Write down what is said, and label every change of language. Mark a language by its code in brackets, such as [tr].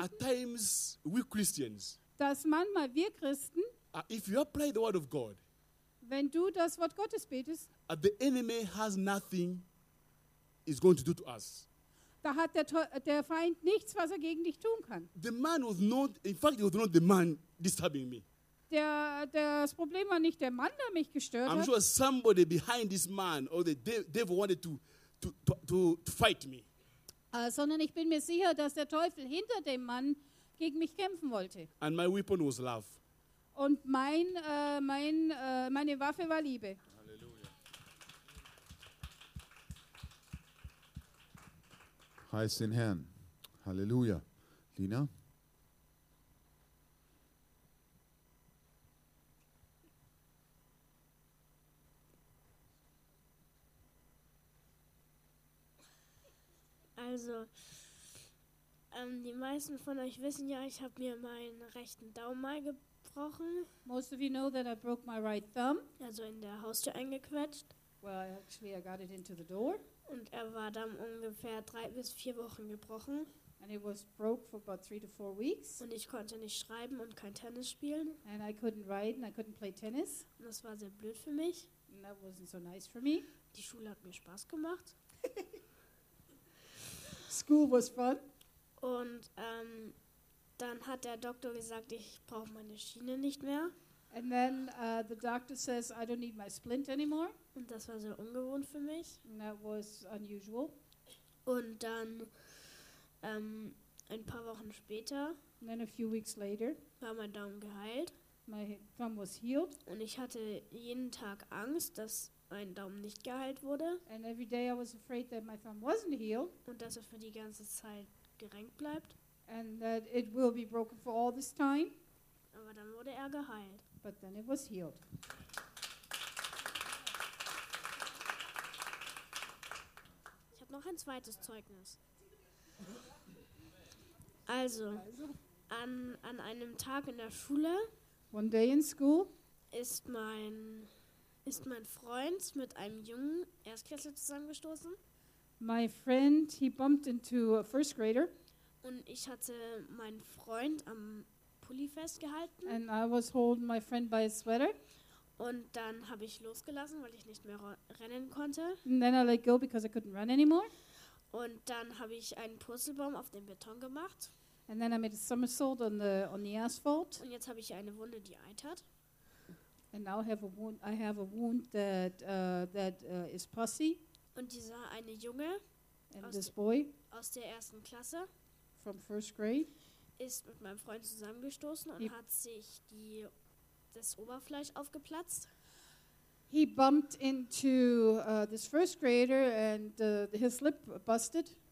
[en] At times we Christians. [de] Dass manchmal wir Christen. [en] If you apply the word of God. [de] Wenn du das Wort Gottes betest. [en] The enemy has nothing. Is going to do to us. [de] Da hat der Feind nichts, was er gegen dich tun kann. [en] The man was not. In fact, he was not the man disturbing me. [de] Das Problem war nicht der Mann, der mich gestört hat. [en] I'm sure somebody behind this man or the devil wanted to fight me. [de] Sondern ich bin mir sicher, dass der Teufel hinter dem Mann gegen mich kämpfen wollte. [en] And my weapon was love. [de] Und meine Waffe war Liebe. Halleluja. Heißen Herrn. Halleluja. Lina? Also, die meisten von euch wissen ja, ich habe mir meinen rechten Daumen mal gebrochen. [en] Most of you know that I broke my right thumb. [de] Also in der Haustür eingequetscht. [en] Well, actually I got it into the door. [de] Und er war dann ungefähr 3 bis 4 Wochen gebrochen. [en] And it was broke for about 3 to 4 weeks. [de] Und ich konnte nicht schreiben und kein Tennis spielen. [en] And I couldn't write and I couldn't play tennis. [de] Und das war sehr blöd für mich. [en] And that wasn't so nice for me. [de] Die Schule hat mir Spaß gemacht. [en] School was fun. [de] Und dann hat der Doktor gesagt, ich brauche meine Schiene nicht mehr. [en] And then the doctor says, I don't need my splint anymore. [de] Und das war sehr ungewohnt für mich. [en] And that was unusual. [de] Und dann ein paar Wochen später. [en] And then a few weeks later. [de] War mein Daumen geheilt. [en] My thumb was healed. [de] Und ich hatte jeden Tag Angst, dass mein Daumen nicht geheilt wurde. [en] And every day I was afraid that my thumb wasn't healed. [de] Und dass er für die ganze Zeit gerenkt bleibt. [en] And that it will be broken for all this time. [de] Aber dann wurde er geheilt. [en] But then it was healed. [de] Ich habe noch ein zweites Zeugnis. Also an einem Tag in der Schule. [en] One day in school. [de] Ist mein ist mein Freund mit einem jungen Erstklässler zusammengestoßen. [en] My friend, he bumped into a first grader. [de] Und ich hatte meinen Freund am Pulli festgehalten. [en] And I was holding my friend by his sweater. [de] Und dann habe ich losgelassen, weil ich nicht mehr rennen konnte. [en] And then I let go because I couldn't run anymore. [de] Und dann habe ich einen Purzelbaum auf dem Beton gemacht. [en] And then I made a somersault on the asphalt. [de] Und jetzt habe ich eine Wunde, die eitert. [en] And now I have a wound that is pussy. [de] Und dieser eine Junge aus der ersten Klasse [en] from first grade [de] ist mit meinem Freund zusammengestoßen und hat sich das Oberfleisch aufgeplatzt. [en] He bumped into this first grader and his lip busted.